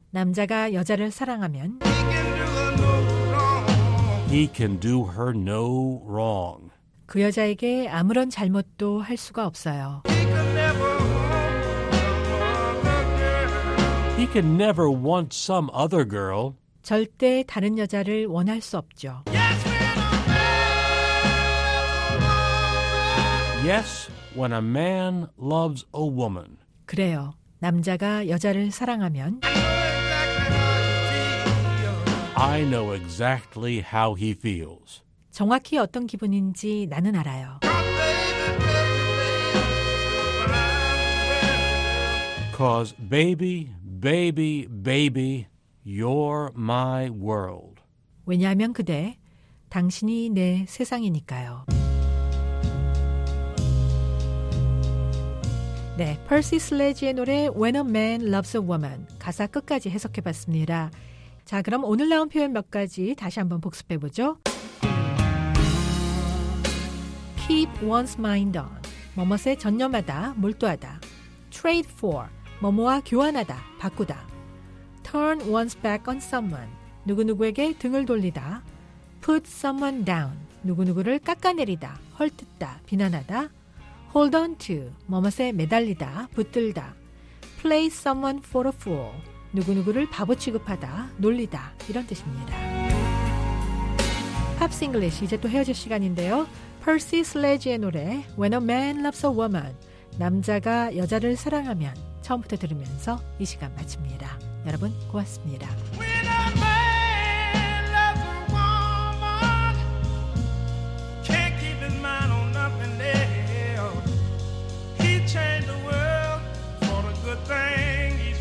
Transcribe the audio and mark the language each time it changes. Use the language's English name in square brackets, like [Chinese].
[Korean] 남자가 여자를 사랑하면 [English] he can do her no wrong. He can do her no wrong. [Korean] 그 여자에게 아무런 잘못도 할 수가 없어요. [English] He can never want some other girl. He can never want some other girl. [Korean] 절대 다른 여자를 원할 수 없죠. [English] Yes, when a man loves a woman. Yes, when a man loves a woman. [Korean] 그래요. 남자가 여자를 사랑하면 [English] I know exactly how he feels. [Korean] 정확히 어떤 기분인지 나는 알아요. [English] Cause baby, baby, baby, you're my world. [Korean] 왜냐하면 그대 당신이 내 세상이니까요. 네, Percy Sledge의 노래 When a Man Loves a Woman 가사 끝까지 해석해봤습니다. 자, 그럼 오늘 나온 표현 몇 가지 다시 한번 복습해보죠. [English] Keep one's mind on, [Korean] 뭐뭇에 전념하다, 몰두하다. [English] Trade for, [Korean] 뭐뭇와 교환하다, 바꾸다. [English] Turn one's back on someone, [Korean] 누구누구에게 등을 돌리다. [English] Put someone down, [Korean] 누구누구를 깎아내리다, 헐뜯다, 비난하다. [English] Hold on to, [Korean] 뭐뭇에 매달리다, 붙들다. [English] Play someone for a fool, [Korean] 누구누구를 바보 취급하다, 놀리다, 이런 뜻입니다. Pops English, 이제 또 헤어질 시간인데요. Percy Sledge의 노래 When a Man Loves a Woman, 남자가 여자를 사랑하면 처음부터 들으면서 이 시간 마칩니다. 여러분 고맙습니다. [English] When a man loves a woman, can't keep his mind on nothing else. He changed the world for a good thing.